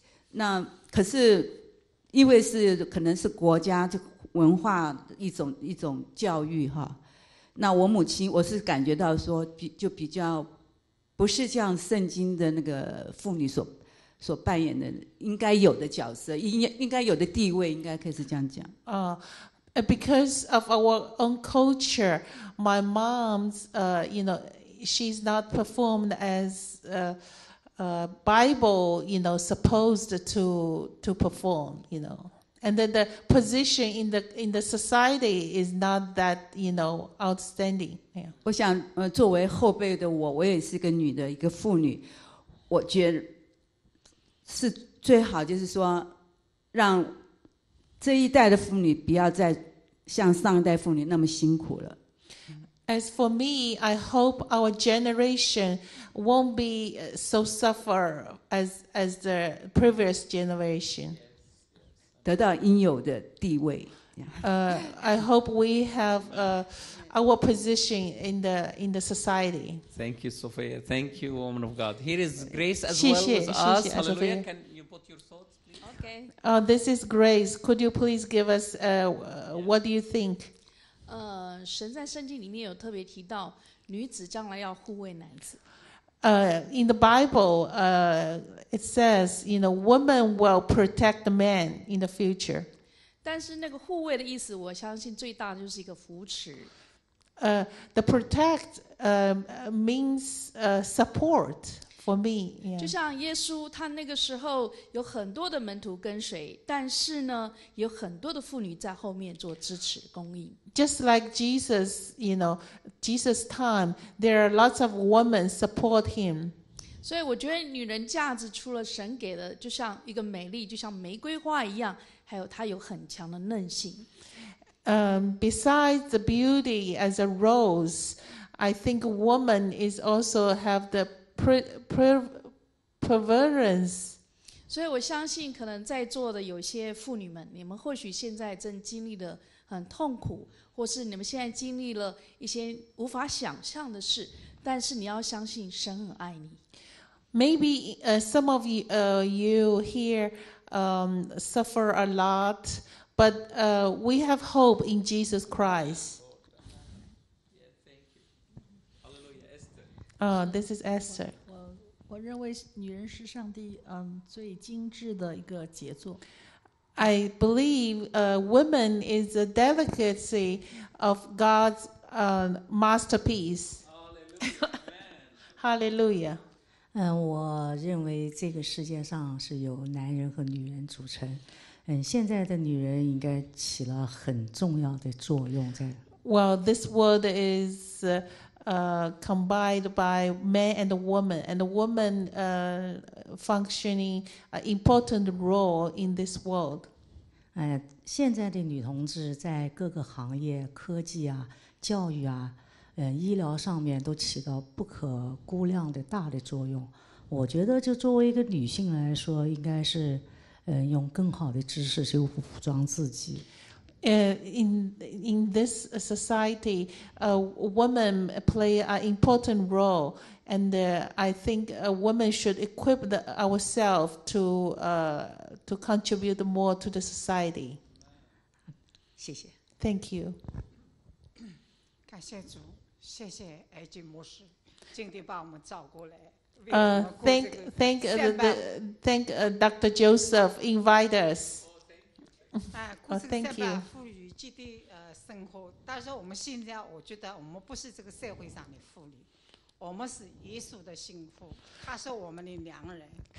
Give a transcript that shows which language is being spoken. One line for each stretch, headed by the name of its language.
Chinese: 那可是因为是可能是国家文化一种教育哈，那我母亲我是感觉到说就比较不是像圣经的那个妇女所扮演的应该有的角色，应该有的地位，应该可以是这样讲。
English: Because of our own culture, my mom's, you know, she's not performed as Bible, you know, supposed to perform, you know. And then the position in the society is not that, you know, outstanding. Yeah.
Chinese: 我想，作为后辈的我，我也是一个女的，一个妇女，我觉得是最好就是说，让这一代的妇女不要再像上一代妇女那么辛苦了。
English: As for me, I hope our generation won't be so suffer as the previous generation.
Chinese: 得到应有的地位。
English: I hope we have our position in the society. Thank you, Sophia. Thank you, woman of God. Here is Grace as well as us. Hallelujah. Can you put your thoughts? Okay. This is Grace. Could you please give us what do you think?
Chinese: 神在圣经里面有特别提到女子将来要护卫男子。
English: In the Bible, it says, you know, woman will protect the man in the future.
Chinese: 但是那个护卫的意思，我相信最大的就是一个扶持。
English: The protect means support. For me, yeah.
Chinese: 就像耶稣他那个时候有很多的门徒跟随，但是呢有很多的妇女在后面做支持供应。
English: Just like Jesus, you know, Jesus' time, there are lots of women support him.
Chinese: 所以我觉得女人价值除了神给的就像一个美丽，就像玫瑰花一样，还有她有很强的韧性。
English: Besides the beauty as a rose, I think a woman is also have theperverance.
Chinese: 所以我相信可能在座的有些妇女们，你们或许现在正经历的很痛苦，或是你们现在经历了一些无法想象的事，但是你要相信神很爱你。
English: Maybe some of you here suffer a lot, but we have hope in Jesus Christ. Yeah, thank you. Hallelujah, Esther. This is Esther.
Chinese: 我认为女人是上帝最精致的一个杰作。
English: I believe woman is the delicacy of God's masterpiece. Hallelujah. Hallelujah.
Chinese: 我认为这个世界上是由男人和女人组成。现在的女人应该起了很重要的作用在。
English: Well, this world is combined by man and woman, and the woman functioning an important role in this world.
Chinese: 现在的女同志在各个行业、科技啊、教育啊、医疗上面都起到不可估量的大的作用。我觉得，就作为一个女性来说，应该是用更好的知识去武装自己。
English: In this society, women play an important role, and I think a woman should equip ourselves to contribute more to the society.
Chinese: 谢谢。
English: Thank you.
Chinese: 感谢主，谢谢艾金牧师，静地把我们照顾来。
English: Thank Dr. Joseph, invite us. Thank you.
Chinese: 妇女基地生活，但是我们现在，我觉得我们不是这个社会上的妇女，我们是耶稣的心腹，他是我们的良人。